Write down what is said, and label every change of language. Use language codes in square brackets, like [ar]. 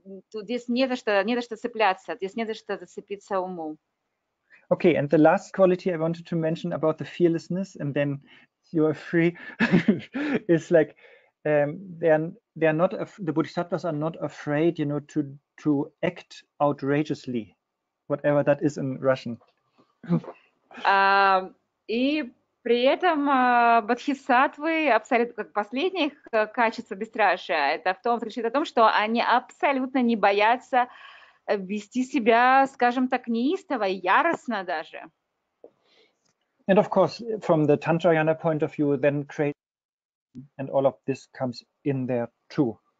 [ru] Тут здесь не за что, не за что цепляться, здесь не за что зацепиться уму. [en] Okay, and the last quality I wanted to mention about the fearlessness, and then you are free, is like they are not the bodhisattvas are not afraid, you know, to act outrageously, whatever that is in Russian. [ru] И при этом бодхисаттвы абсолютно как последних качеств бесстрашия, это в том, значит, о том, что они абсолютно не боятся вести себя, скажем так, неистово, яростно даже. [en] And of course, from the Tantrayana point of view, then create and all of this comes in there too.